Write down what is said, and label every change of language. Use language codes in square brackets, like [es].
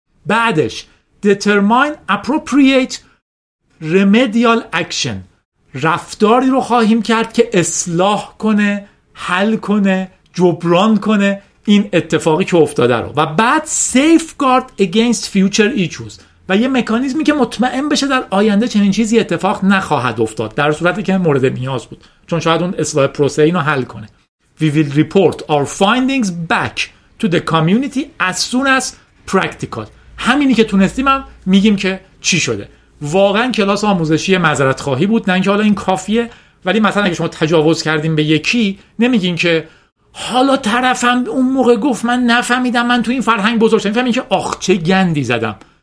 [fa] بعدش [en] determine appropriate remedial action، [fa] رفتاری رو خواهیم کرد که اصلاح کنه، حل کنه، جبران کنه این اتفاقی که افتاده رو، و بعد [en] safeguard against future issues [fa] و یه مکانیزمی که مطمئن بشه در آینده چنین چیزی اتفاق نخواهد افتاد در صورتی که مورد نیاز بود، چون شاید اون اصلاح پروسه اینو حل کنه. [en] We will report our findings back to the community as soon as practical. [fa] همینی که تونستیم هم میگیم که چی شده. واقعا کلاس آموزشی معذرت خواهی بود، نه اینکه حالا این کافیه، ولی مثلا اگه شما تجاوز کردیم به یکی نمیگین که حالا طرفم اون موقع گفت من نفهمیدم، من تو این فرهنگ بزرگ شدم، فهمیدم که آخ چه گندی زدم،